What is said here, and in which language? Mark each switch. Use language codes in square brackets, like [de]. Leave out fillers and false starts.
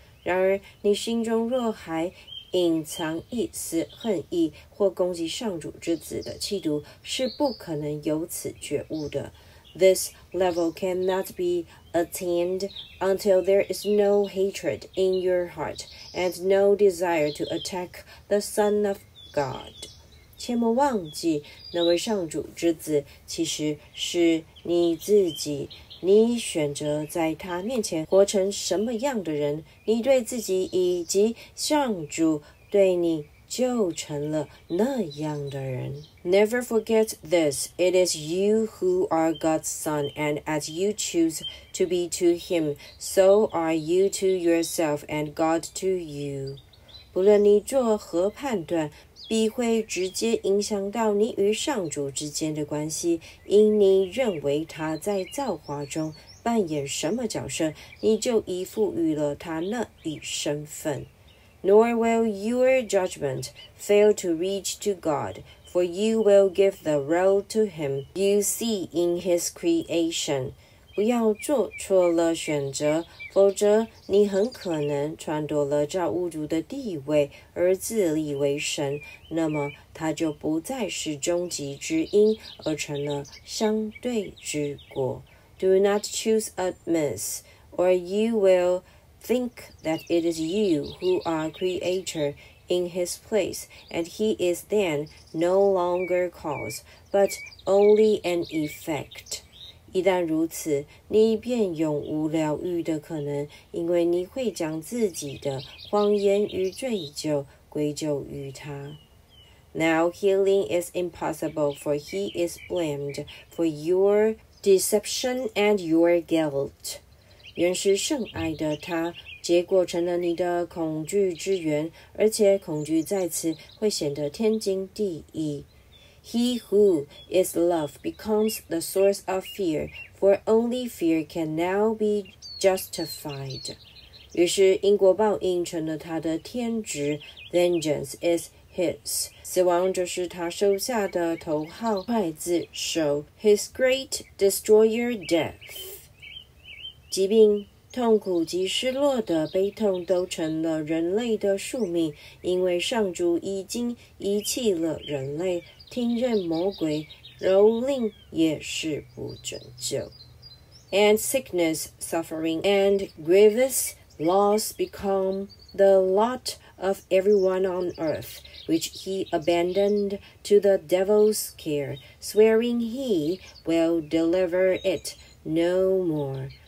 [zh] 然而，你心中若还隐藏一丝恨意或攻击上主之子的气度，是不可能由此觉悟的。 [en] This level cannot be attained until there is no hatred in your heart and no desire to attack the Son of God. [zh] 切莫忘记，那位上主之子其实是你自己。你选择在他面前活成什么样的人，你对自己以及上主对你就成了那样的人。 [en] Never forget this. It is you who are God's son, and as you choose to be to him, so are you to yourself and God to you. [zh] 不论你做何判断，必会直接影响到你与上主之间的关系，因你认为他在造化中扮演什么角色，你就依附于了他那一身份。 [en] Nor will your judgment fail to reach to God, for you will give the role to him you see in his creation. [zh] 不要做错了选择，否则你很可能篡夺了造物主的地位而自立为神，那么他就不再是终极之因，而成了相对之果。 [en] Do not choose amiss, or you will think that it is you who are creator in his place, and he is then no longer cause, but only an effect. [zh] 一旦如此，你便永无疗愈的可能，因为你会将自己的谎言与罪疚归咎于他。 [en] Now healing is impossible, for he is blamed for your deception and your guilt. [zh] 原是圣爱的他，结果成了你的恐惧之源，而且恐惧在此会显得天经地义。 [en] He who is love becomes the source of fear, for only fear can now be justified. [zh] 于是因果报应成了他的天职 , [en] vengeance is his. [zh] 死亡就是他收下的头号刽子手 , [en] his great destroyer death. [zh] 疾病、痛苦及失落的悲痛都成了人类的宿命，因为上主已经遗弃了人类。听任魔鬼蹂躏也是不拯救。 [en] And sickness, suffering, and grievous loss become the lot of everyone on earth, which he abandoned to the devil's care, swearing he will deliver it no more.